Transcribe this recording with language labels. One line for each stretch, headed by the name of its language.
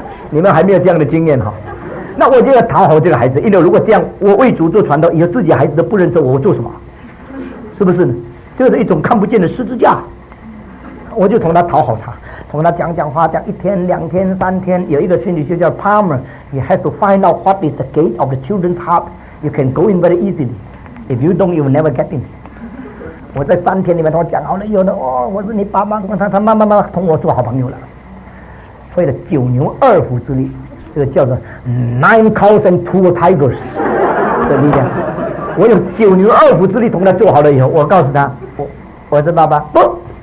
Chinese: 你们还没有这样的经验哈。那我就要讨好这个孩子，因为如果这样我为主做传道，以后自己孩子都不认识我，我做什么？是不是呢？这是一种看不见的十字架。我就同他讨好他，同他讲讲话，讲一天两天三天。有一个心理学叫
English: Palmer， you have to find out what is the gate of the children's heart. You can go in very easily. If you don't, you will never get in.
Chinese: 我在三天里面同他讲好了，有的哦，我是你爸妈什么，他慢慢慢慢同我做好朋友了。费了九牛二虎之力，这个叫做
English: nine cows and two tigers
Chinese: 的力量。我有九牛二虎之力同他做好了以后，我告诉他，我是爸爸不。